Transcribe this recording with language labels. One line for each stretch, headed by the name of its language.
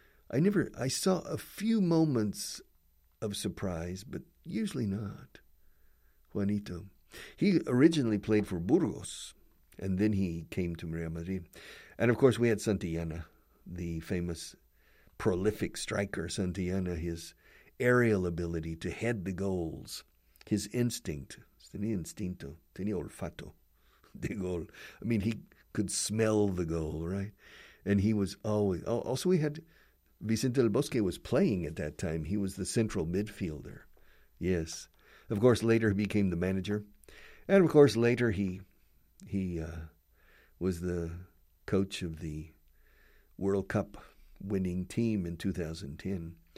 English: I saw a few moments of surprise, but usually not. Juanito. He originally played for Burgos, and then he came to Real Madrid. And of course, we had Santillana, the famous prolific striker Santillana, his aerial ability to head the goals, his instinct.
Spanish: Tenía instinto, tenía olfato de gol.
English: I mean, he could smell the goal, right? And he was always... Oh, also, we had... Vicente del Bosque was playing at that time. He was the central midfielder. Yes. Of course, later he became the manager. And of course, later he was the coach of the World Cup winning team in 2010.